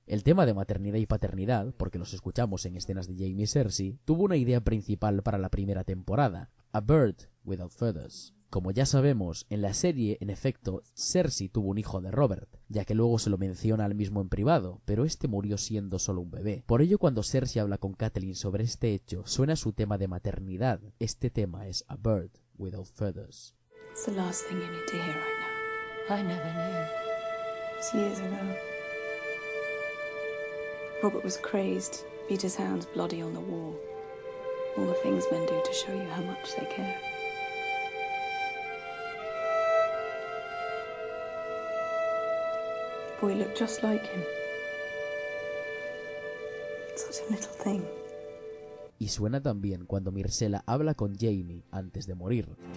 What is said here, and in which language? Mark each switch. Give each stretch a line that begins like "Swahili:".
Spanish: El tema de maternidad y paternidad, porque los escuchamos en escenas de Jaime y Cersei, tuvo una idea principal para la primera temporada, A Bird Without Feathers. Como ya sabemos, en la serie, en efecto, Cersei tuvo un hijo de Robert, ya que luego se lo menciona al mismo en privado, pero este murió siendo solo un bebé. Por ello, cuando Cersei habla con Catelyn sobre este hecho, suena su tema de maternidad. Este tema es A Bird Without Feathers.
English: It's the last thing you need to hear right now. I never knew. Years ago, Robert was crazed, beat his hands bloody on the wall. All the things men do to show you how much they care. The boy looked just like him. Such a little thing.
Spanish: Y suena también cuando Myrcella habla con Jaime antes de morir.